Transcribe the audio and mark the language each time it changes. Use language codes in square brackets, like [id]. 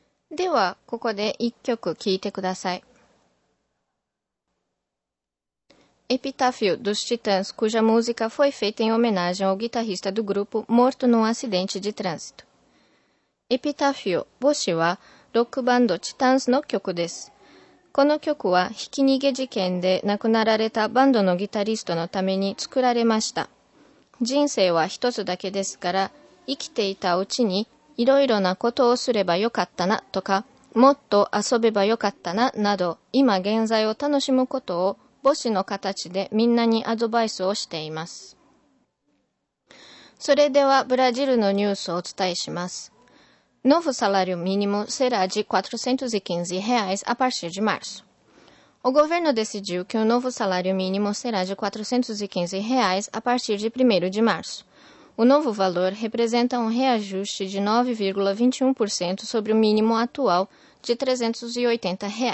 [ja] ではここで一曲聴いてください。 [pt] Epitáfio dos Titãs, cuja música foi feita em homenagem ao guitarrista do grupo morto num acidente de trânsito. [ja] Epitáfio, 墓碑はロックバンド Titãs の曲です。この曲はひき逃げ事件で亡くなられたバンドのギタリストのために作られました。人生は一つだけですから、生きていたうちにいろいろなことをすればよかったなとか、もっと遊べばよかったななど、今現在を楽しむことを母子の形でみんなにアドバイスをしています。それではブラジルのニュースをお伝えします。 [pt] Novo salário mínimo será de R$ 415 a partir de março. O governo decidiu que o novo salário mínimo será de R$ 415 a partir de 1º de março. O novo valor representa um reajuste de 9,21% sobre o mínimo atual de R$ 380.